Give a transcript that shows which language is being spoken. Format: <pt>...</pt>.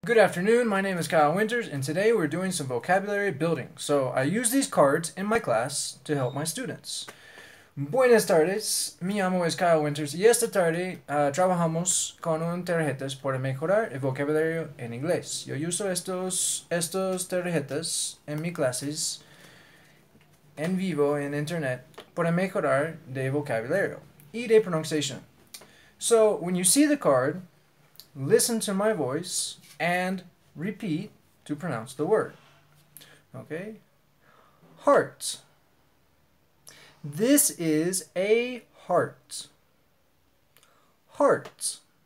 <en>Good afternoon, my name is Kyle Winters, and today we're doing some vocabulary building. So I use these cards in my class to help my students.</en> <es>Buenas tardes, mi amo es Kyle Winters, y esta tarde trabajamos con un tarjetas para mejorar el vocabulario en inglés. Yo uso estos tarjetas en mis clases en vivo en internet para mejorar de vocabulario y de pronunciation.</es> <en>So when you see the card, listen to my voice and repeat to pronounce the word. Okay? Heart. This is a heart. Heart.</en>